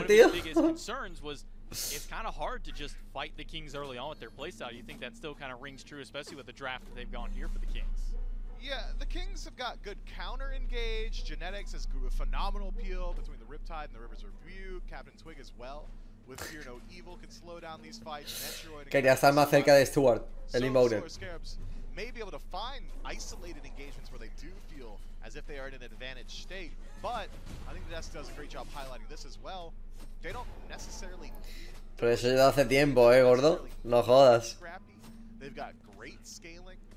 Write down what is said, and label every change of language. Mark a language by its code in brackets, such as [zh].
[en] one of his biggest concerns was it's kind of hard to just fight the Kings early on with their playstyle. You think that still kind of rings true, especially with the draft that they've gone here for the Kings? Yeah, the Kings have got good counter engage. Genetics has a phenomenal peel between the Riptide and the River's Review. Captain Twig as well. With Fear No Evil can slow down these fights. [es] Quería estar más cerca de Stuart, el emoted. [en] Scarabs may be able to find isolated engagements where they do feel as if they are in an advantaged state. But I think the desk does a great job highlighting this as well. They don't necessarily... [es] Pero eso ya hace tiempo, gordo. No jodas. [en] They've got great scaling.